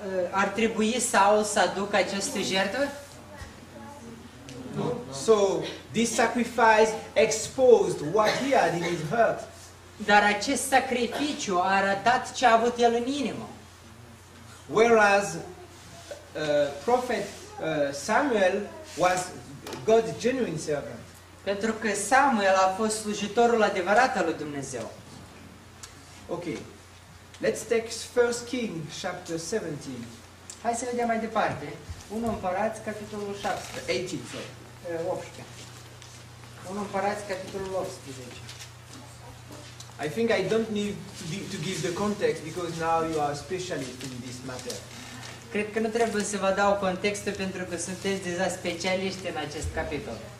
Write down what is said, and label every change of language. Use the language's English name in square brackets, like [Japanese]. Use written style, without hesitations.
[Romanian] Ar trebui Saul să aducă această jertfă? [English] No. So this sacrifice exposed what he had in his heart. [Romanian] Dar acest sacrificiu a arătat ce a avut el în inimă. [English] Whereas prophet Samuel was God's genuine servant. [Romanian] Pentru că Samuel a fost slujitorul adevărat al lui Dumnezeu. [English] Okay. Let's take 1 Kings chapter 17. [Romanian] Hai să vedem mai departe. 1 Împărați capitolul 17. [English] 18. Sorry. [Romanian] 18. 1 Împărați capitolul 18. [English] I think I don't need to give the context because now you are specialist in this matter. [Romanian] Cred că nu trebuie să vă dau contextul pentru că sunteți deja specialiști în acest capitol.